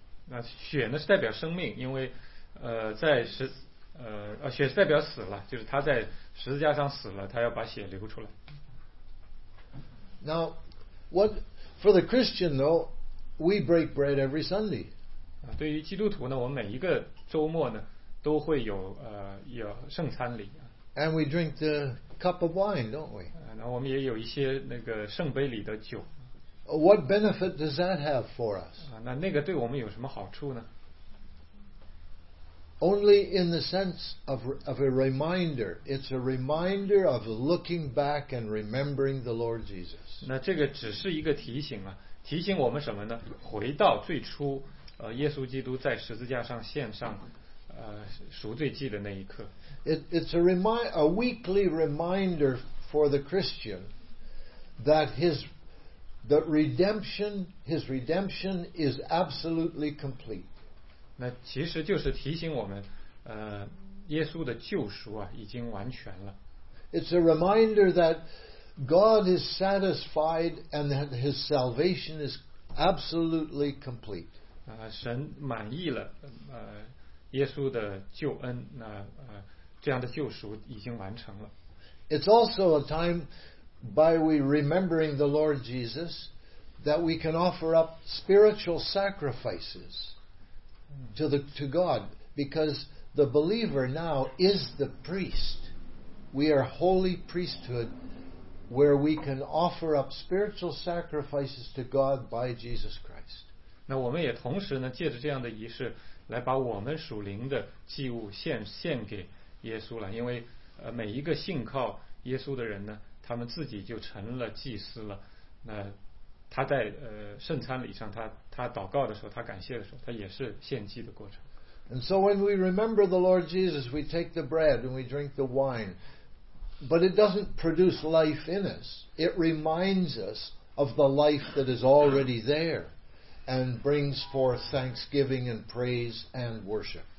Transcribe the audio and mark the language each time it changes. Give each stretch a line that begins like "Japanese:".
Chinese: 那血呢是代表生命，因为在十血代表死了，就是他在十字架上死了，他要把血流出来。
English: Now, what for the Christian though, we break bread every Sunday.
Chinese: 对于基督徒呢，我们每一个周末呢都会有有圣餐礼。
English: And we drink the cup of wine, don't we?
Chinese: 然后我们也有一些那个圣杯里的酒。
English: What benefit does that have for us?
Chinese: 那个对我们有什么好处呢？
English: Only in the sense of a reminder. It's a reminder of looking back and remembering the Lord Jesus.
Chinese: 那这个只是一个提醒啊，提醒我们什么呢？回到最初，耶稣基督在十字架上献上，赎罪祭的那一刻。
English: It's a weekly reminder for the Christian that his redemption is absolutely complete.
Chinese: 那其实就是提醒我们，耶稣的救赎啊已经完全了。
English: It's a reminder that God is satisfied and that His salvation is absolutely complete.
Chinese: 神满意了，耶稣的救恩，这样的救赎已经完成了。
English: It's also a time by we remembering the Lord Jesus that we can offer up spiritual sacrifices. To God, because the believer now is the priest. We are holy priesthood, where we can offer up spiritual sacrifices to God by Jesus Christ.
Chinese: 那我们也同时呢，借着这样的仪式，来把我们属灵的祭物献给耶稣了。因为每一个信靠耶稣的人呢，他们自己就成了祭司了。那他在圣餐礼上，他祷告的时候，他感谢的时候，他也是献祭的过程。
English: And so when we remember the Lord Jesus, we take the bread and we drink the wine, but it doesn't produce life in us. It reminds us of the life that is already there, and brings forth thanksgiving and praise and worship.